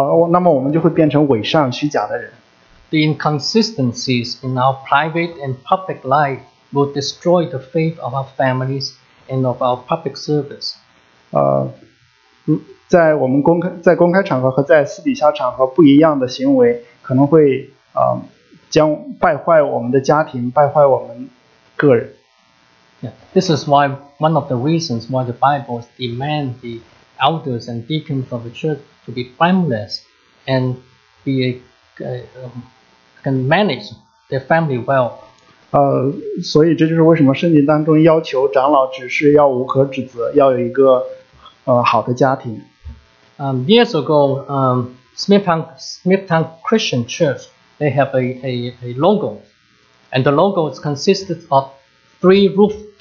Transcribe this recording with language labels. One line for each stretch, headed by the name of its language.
Chinese: 那么我们就会变成伪善虚假的人。
English: The inconsistencies in our private and public life will destroy the faith of our families and of our public service.
Chinese: 在我们在公开场合和在私底下场合不一样的行为，可能会将败坏我们的家庭，败坏我们个人。
English: Yeah, this is why one of the reasons why the Bible demands the elders and deacons of the church to be blameless and be can manage their family well.
Chinese: 所以这就是为什么圣经当中要求长老只是要无可指责，要有一个好的家庭。
English: Years ago, Smithtown Christian Church, they have a logo, and the logo is consisted of three roofs.